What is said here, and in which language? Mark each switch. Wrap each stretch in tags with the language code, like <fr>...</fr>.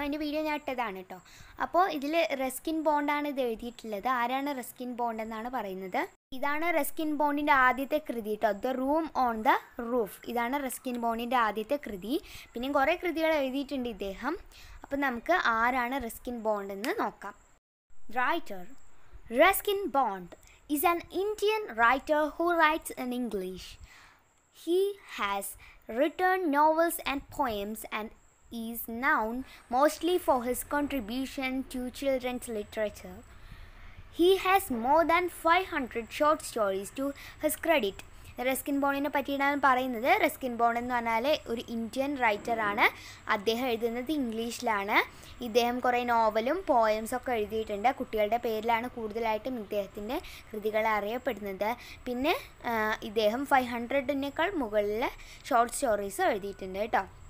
<ml>അതിൻ്റെ വീഡിയോ ഞാൻ ഇട്ടതാണ് കേട്ടോ. അപ്പോൾ ഇതിൽ റസ്കിൻ ബോണ്ടാണ് ഇത് എഴുതിയിട്ടുള്ളത്. ആരാണ് റസ്കിൻ ബോണ്ട് എന്നാണ് പറയുന്നത്. ഇതാണ് റസ്കിൻ ബോണ്ടിൻ്റെ ആദ്യത്തെ കൃതി കേട്ടോ, the room on the roof. ഇതാണ് റസ്കിൻ ബോണ്ടിൻ്റെ ആദ്യത്തെ കൃതി. പിന്നെയും കുറേ കൃതികൾ എഴുതിയിട്ടുണ്ട് ഇദ്ദേഹം. അപ്പോൾ നമുക്ക് ആരാണ് റസ്കിൻ ബോണ്ട് എന്ന് നോക്കാം.</ml> <en>Writer Ruskin Bond is an Indian writer who writes in English. He has written novels and poems and is known mostly for his contribution to children's literature. He has more than 500 short stories to his credit.</en> <ml>Ruskin ബോണ്ടിനെ പറ്റിയിട്ടാണ് പറയുന്നത്. Ruskin bond എന്ന് പറഞ്ഞാൽ ഒരു Indian റൈറ്ററാണ്. അദ്ദേഹം എഴുതുന്നത് ഇംഗ്ലീഷിലാണ്. ഇദ്ദേഹം കുറേ നോവലും പോയംസൊക്കെ എഴുതിയിട്ടുണ്ട്. കുട്ടികളുടെ പേരിലാണ് കൂടുതലായിട്ടും ഇദ്ദേഹത്തിൻ്റെ കൃതികൾ അറിയപ്പെടുന്നത്. പിന്നെ ഇദ്ദേഹം 500 മുകളിൽ ഷോർട്ട് സ്റ്റോറീസും എഴുതിയിട്ടുണ്ട് കേട്ടോ.</ml>